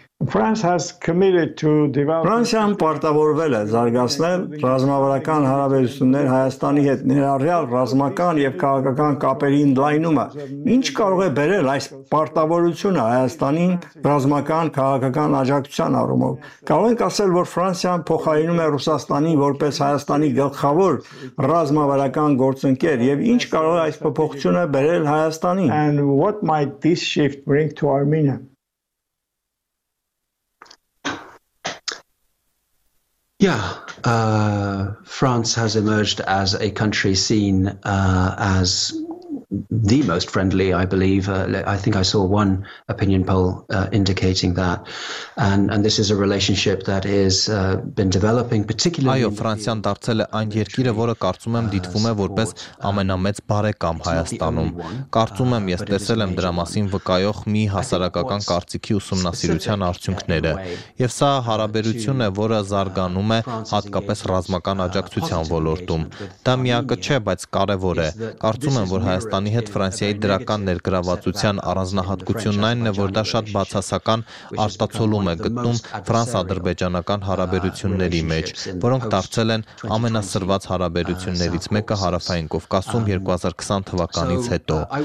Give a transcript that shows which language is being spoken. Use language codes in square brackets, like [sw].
[en] France has committed to develop [hy] Ֆրանսիան պարտավորվել է զարգացնել ռազմավարական հարաբերություններ Հայաստանի հետ ներառյալ ռազմական եւ քաղաքական կապերի ընդլայնումը։ Ինչ կարող է բերել այս պարտավորությունը Հայաստանին ռազմական քաղաքական աջակցության առումով։ Կարող ենք ասել, որ Ֆրանսիան փոխարինում է Ռուսաստանին որպես Հայաստանի գլխավոր ռազմավարական գործընկեր եւ ինչ կարող է այս փոփոխությունը բերել Հայաստանին։ [en] And what might this shift bring to Armenia? Yeah, France has emerged as a country seen as the most friendly, I believe. I think I saw one opinion poll indicating that. And this is a relationship that has been developing particularly... [hy] Այո, Ֆրանսիան դարձել է այն երկիրը, որը կարծում եմ դիտվում է որպես ամենամեծ բարեկամ Հայաստանում։ Կարծում եմ, ես տեսել եմ դրա մասին վկայող մի հասարակական կարծիքի ուսումնասիրության արդյունքները, եւ սա հարաբերություն է, որը զարգանում է հատկապես ռազմական աջակցության ոլորտում։ Դա միակը չէ, բայց կարևոր է։ Կարծում եմ, որ Հայաստանի հետ Ֆրանսիայի դրական ներգրավվածության առանձնահատկությունն այն է, որ դա շատ բացասական արտացոլում է գտնում ֆրանս-ադրբեջանական հարաբերությունների մեջ, որոնք դարձել են ամենասրված հարաբերություններից մեկը Հարավային Կովկասում 2020 թվականից հետո։